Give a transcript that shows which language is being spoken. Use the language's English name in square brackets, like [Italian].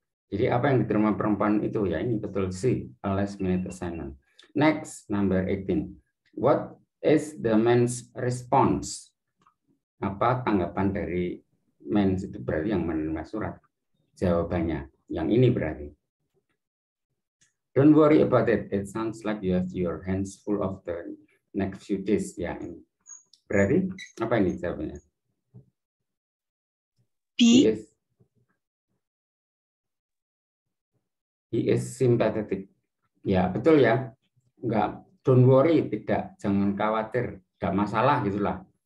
[Indonesian] Jadi apa yang diterima perempuan itu ya ini betul C, [English] a last minute assignment. Next, number 18. What is the man's response? [Indonesian] Apa tanggapan dari man itu berarti yang menerima surat? Jawabannya yang ini berarti. [English] Don't worry about it. It sounds like you have your hands full of the next few days. [Indonesian] Ya ini. Berarti apa ini jawabannya? [English] He is sympathetic. [Indonesian] Ya betul ya. Enggak. [English] Don't worry, [Indonesian] tidak, jangan khawatir, enggak masalah gitulah.